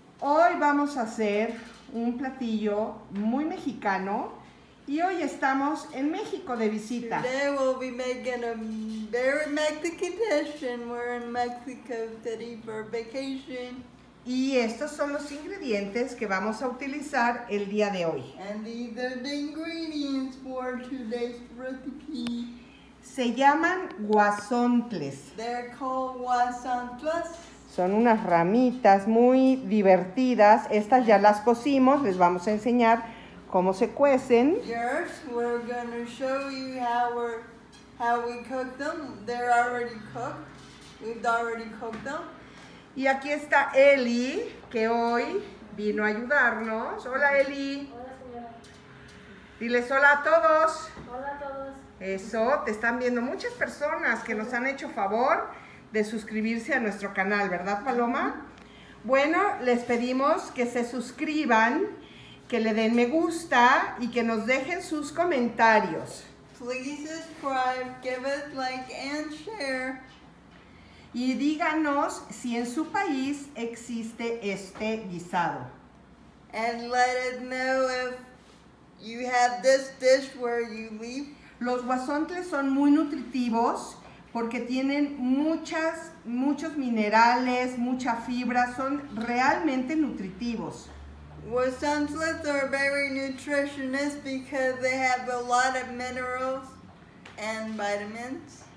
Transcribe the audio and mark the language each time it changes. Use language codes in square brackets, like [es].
[es] Hoy vamos a hacer un platillo muy mexicano y hoy estamos en México de visita. [en] Today we'll be making a very Mexican dish and we're in Mexico City for vacation. [es] Y estos son los ingredientes que vamos a utilizar el día de hoy. [en] And these are the ingredients for today's recipe. [es] Se llaman guasontles. [en] They're called guasontles. [es] Son unas ramitas muy divertidas. Estas ya las cocimos, les vamos a enseñar cómo se cuecen. [en] Yes, we're gonna show you how we cook them. They're already cooked. We've already cooked them. [es] Y aquí está Eli, que hoy vino a ayudarnos. Hola, Eli. Hola, señora. Diles hola a todos. Hola a todos. Eso, te están viendo muchas personas que nos han hecho favor de suscribirse a nuestro canal, ¿verdad, Paloma? Bueno, les pedimos que se suscriban, que le den me gusta y que nos dejen sus comentarios. [en] Please subscribe, give it like and share. [es] Y díganos si en su país existe este guisado. [en] And let us know if you have this dish where you live. [es] Los guasontles son muy nutritivos porque tienen muchos minerales, mucha fibra, son realmente nutritivos. [en] Guasontles are very nutritious because they have a lot of minerals and vitamins